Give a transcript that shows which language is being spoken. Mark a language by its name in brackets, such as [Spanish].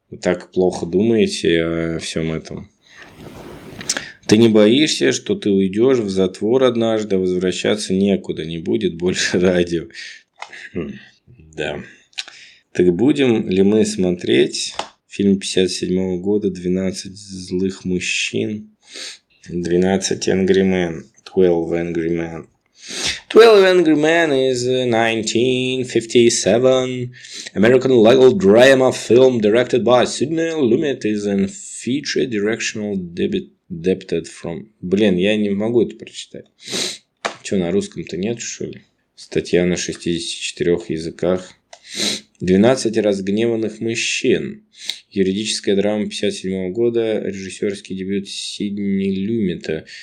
[Russian] Вы так плохо думаете о всем этом? Ты не боишься, что ты уйдешь в затвор однажды, возвращаться некуда, не будет больше радио. Да. Так будем ли мы смотреть фильм 57-го года «12 злых мужчин»? [English] 12 Angry Men. 12 Angry Men. 12 Angry Men is a 1957 American legal drama film directed by Sidney Lumet is a feature directional debut. Adapted from... [Russian] Блин, я не могу это прочитать. Что, на русском-то нет, что ли? Статья на 64 языках. 12 разгневанных мужчин. Юридическая драма 57 года. Режиссерский дебют Сидни Люмета.